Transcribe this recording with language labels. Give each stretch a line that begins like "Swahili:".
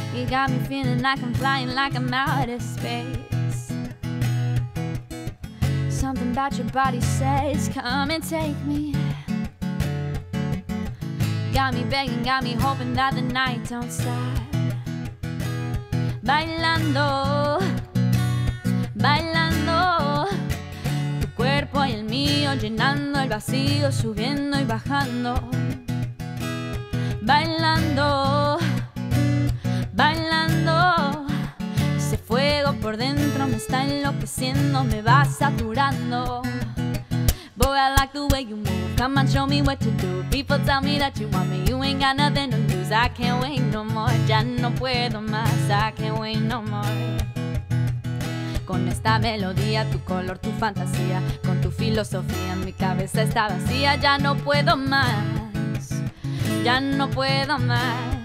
English: Got me feeling like I'm flying, like I'm out of space. Something about your body says, come and take me. Got me begging, got me hoping that the night don't stop.
Spanish: Bailando, bailando, tu cuerpo y el mío llenando el vacío, subiendo y bajando. Bailando, bailando, ese fuego por dentro me está enloqueciendo, me va saturando.
English: Boy, I like the way you move, come on, show me what to do. People tell me that you want me, you ain't got nothing to lose. I can't wait no more,
Spanish: ya no puedo más,
English: I can't wait no more.
Spanish: Con esta melodía, tu color, tu fantasía, con tu filosofía, mi cabeza está vacía. Ya no puedo más, ya no puedo más.